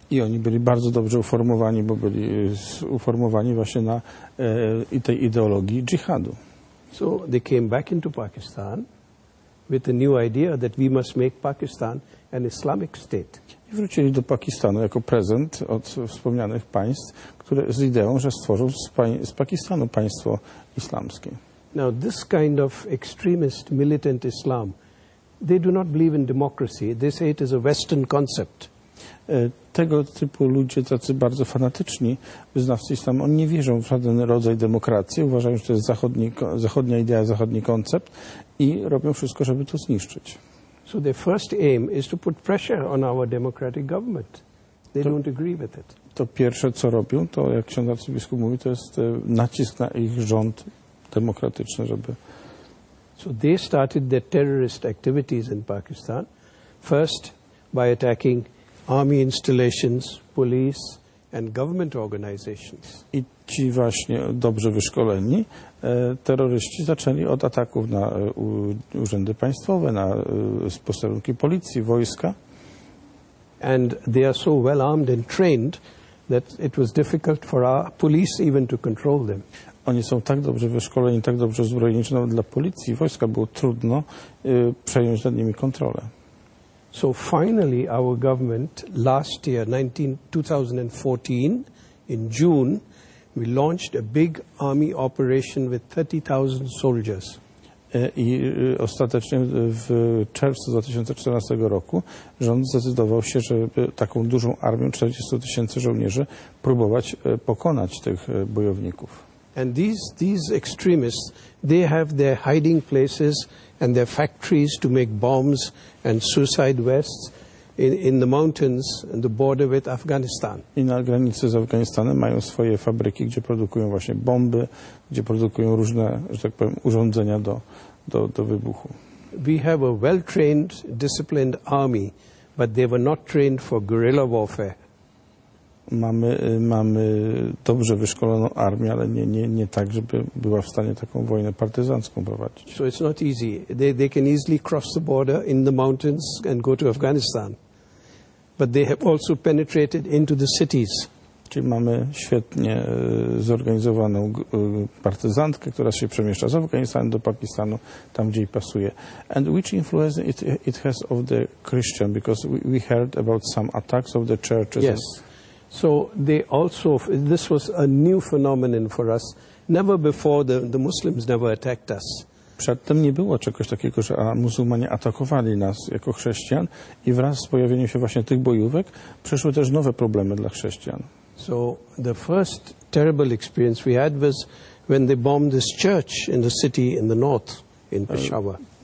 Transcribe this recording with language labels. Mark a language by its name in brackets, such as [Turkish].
[Polish] I oni byli bardzo dobrze uformowani, bo byli uformowani właśnie na tej ideologii dżihadu. [English] So they came back into Pakistan with a new idea that we must make Pakistan an Islamic state. [Polish] I wrócili do Pakistanu jako prezent od wspomnianych państw, które z ideą, że stworzą z Pakistanu państwo islamskie. [English] Now this kind of extremist militant Islam, they do not believe in democracy. They say it is a Western concept. [Polish] Tego typu ludzie, tacy bardzo fanatyczni wyznawcy islamu, oni nie wierzą w żaden rodzaj demokracji. Uważają, że to jest zachodnia idea, zachodni koncept i robią wszystko, żeby to zniszczyć. [English] So their first aim is to put pressure on our democratic government. They don't agree with it. [Polish] To pierwsze, co robią, to jak ksiądz arcybiskup mówi, to jest nacisk na ich rząd demokratyczny, żeby... [English] So they started their terrorist activities in Pakistan, first by attacking army installations, police and government organizations. [Polish] I ci właśnie dobrze wyszkoleni terroryści zaczęli od ataków na urzędy państwowe, na posterunki policji, wojska. [English] And they are so well armed and trained that it was difficult for our police even to control them. [Polish] Oni są tak dobrze wyszkoleni, tak dobrze uzbrojeni, że nawet dla policji i wojska było trudno przejąć nad nimi kontrolę. [English] So finally our government last year, 2014, in June, we launched a big army operation with 30,000 soldiers. [Polish] I ostatecznie w czerwcu 2014 roku rząd zdecydował się, żeby taką dużą armią 40 tysięcy żołnierzy próbować pokonać tych bojowników. [English] And these extremists, they have their hiding places and their factories to make bombs and suicide vests in the mountains and the border with Afghanistan. [Polish] I na granicy z Afganistanem mają swoje fabryki, gdzie produkują właśnie bomby, gdzie produkują różne, że tak powiem, urządzenia do wybuchu. [English] We have a well-trained, disciplined army, but they were not trained for guerrilla warfare. [Polish] Mamy dobrze wyszkoloną armię, ale nie tak, żeby była w stanie taką wojnę partyzancką prowadzić. [English] So it's not easy. They can easily cross the border in the mountains and go to Afghanistan. But they have also penetrated into the cities. [Polish] Czyli mamy świetnie zorganizowaną partyzantkę, która się przemieszcza z Afganistanu do Pakistanu, tam gdzie jej pasuje. [English] And which influence it has of the Christian? Because we heard about some attacks of the churches. Yes. So they also, this was a new phenomenon for us. Never before, the Muslims never attacked us. [Polish] Przedtem nie było czegoś takiego, że muzułmanie atakowali nas jako chrześcijan i wraz z pojawieniem się właśnie tych bojówek przyszły też nowe problemy dla chrześcijan. [English] So the first terrible experience we had was when they bombed this church in the city in the north, in Peshawar.